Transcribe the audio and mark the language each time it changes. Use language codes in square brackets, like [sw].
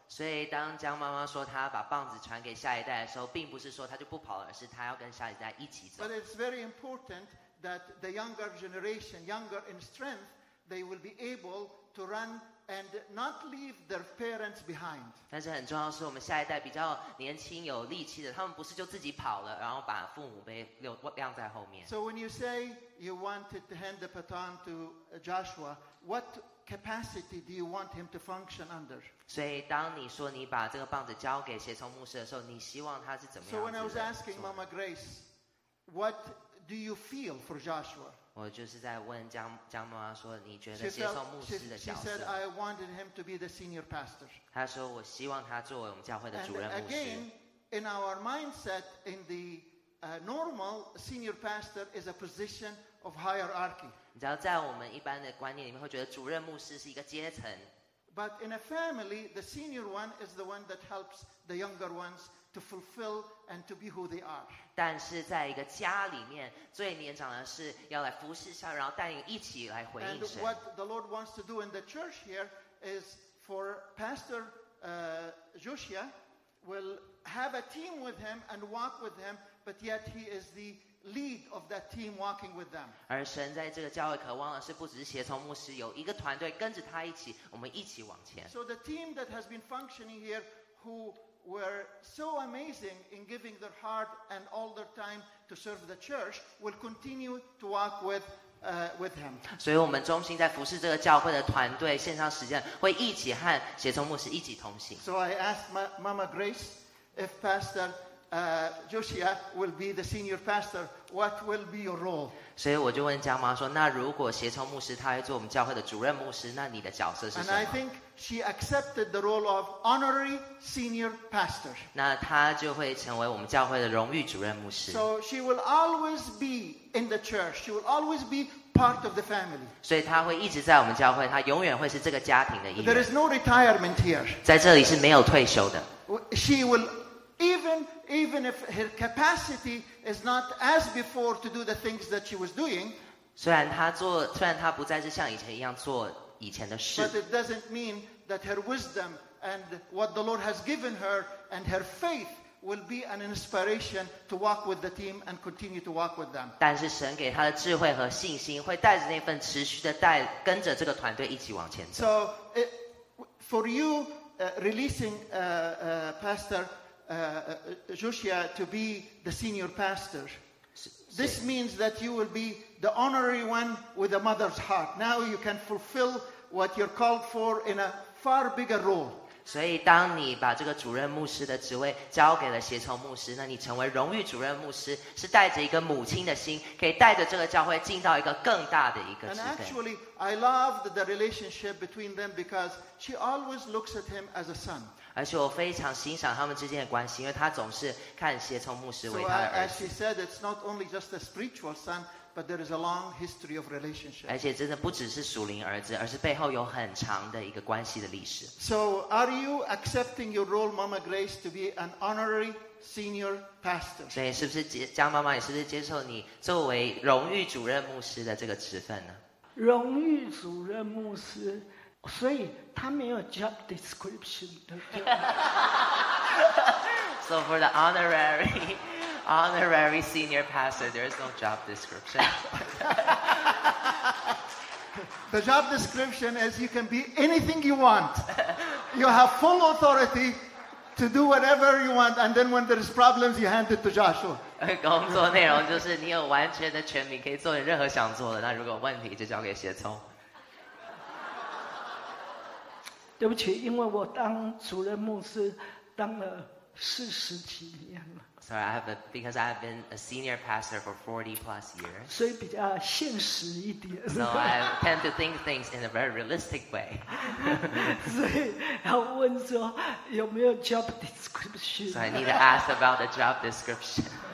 [zh] 所以当江妈妈说她要把棒子传给下一代的时候，并不是说她就不跑了，而是她要跟下一代一起走。 [en] But it's very important that the younger generation, younger in strength, they will be able to run and not leave their parents behind. [zh] 但是很重要的是，我们下一代比较年轻有力气的，他们不是就自己跑了，然后把父母被晾在后面。 [en] So when you say you wanted to hand the baton to Joshua, what capacity do you want him to function under? [zh] 所以当你说你把这个棒子交给协同牧师的时候，你希望他是怎么样 [en] ？So when I was asking Mama Grace, what do you feel for Joshua? [zh] 我就是在问江妈妈说，你觉得接受牧师的角色？ [en] She said I wanted him to be the senior pastor. [zh] 她说我希望他作为我们教会的主任牧师。 [en] And again, in our mindset, in the normal senior pastor is a position of hierarchy. [zh] 你知道，在我们一般的观念里面，会觉得主任牧师是一个阶层。 [en] But in a family, the senior one is the one that helps the younger ones. To fulfill and to be who they are. [zh] 但是在一个家里面，最年长的是要来服侍上，然后带领一起来回应神。 [en] And what the Lord wants to do in the church here is for Pastor Joshua will have a team with him and walk with him, but yet he is the lead of that team walking with them. [zh] 而神在这个教会渴望的是，不只是协同牧师，有一个团队跟着他一起，我们一起往前。 [en] So the team that has been functioning here who. Were so amazing in giving their heart and all their time to serve the church will continue to walk with him. [zh] 所以我们中心在服侍这个教会的团队线上时间会一起和协同牧师一起同行。 [en] So I asked Mama Grace if Pastor Joshua will be the senior pastor, what will be your role? [zh] 所以我就问江妈说，那如果协同牧师他会做我们教会的主任牧师，那你的角色是什么？ [en] And I think she accepted the role of honorary senior pastor. [zh] 那他就会成为我们教会的荣誉主任牧师。 [en] So she will always be in the church. She will always be part of the family. [zh] 所以他会一直在我们教会，他永远会是这个家庭的一员。 [en] There is no retirement here. [zh] 在这里是没有退休的。 [en] She will even if her capacity is not as before to do the things that she was doing, [zh] 虽然她不再是像以前一样做以前的事， [en] but it doesn't mean that her wisdom and what the Lord has given her and her faith will be an inspiration to walk with the team and continue to walk with them. [zh] 但是神给她的智慧和信心会带着那份持续的带跟着这个团队一起往前走。 [en] So for you releasing PastorJoshua to be the senior pastor. This means that you will be the honorary one with a mother's heart. Now you can fulfill what you're called for in a far bigger role. [zh] 所以当你把这个主任牧师的职位交给了协同牧师，那你成为荣誉主任牧师是带着一个母亲的心，可以带着这个教会进到一个更大的一个职位。 [en] And actually, I loved the relationship between them because she always looks at him as a son. [zh] 而且我非常欣赏他们之间的关系，因为他总是看协同牧师为他的儿子。 [en] As she said, it's not only just a spiritual son, but there is a long history of relationship. [zh] 而且真的不只是属灵儿子，而是背后有很长的一个关系的历史。 [en] So are you accepting your role, Mama Grace, to be an honorary senior pastor? [zh] 所以是不是江妈妈，你是不是接受你作为荣誉主任牧师的这个职分呢？荣誉主任牧师，所以他没有 [en] job description [zh] 的。 [en] So for the honorary senior pastor, there is no job description. The job description is you can be anything you want. You have full authority to do whatever you want, and then when there is problems, you hand it to Joshua. [zh] 工作内容就是你有完全的权柄，可以做你任何想做的。那如果问题就交给协同。对不起，因为我当主任牧师当了四十几年了。 [en] Sorry, because I've been a senior pastor for 40 plus years. [zh] 所以比较现实一点。 [en] So I tend to think things in a very realistic way. [zh] 所以要问说有没有 [en] job description. So I need to ask about the job description.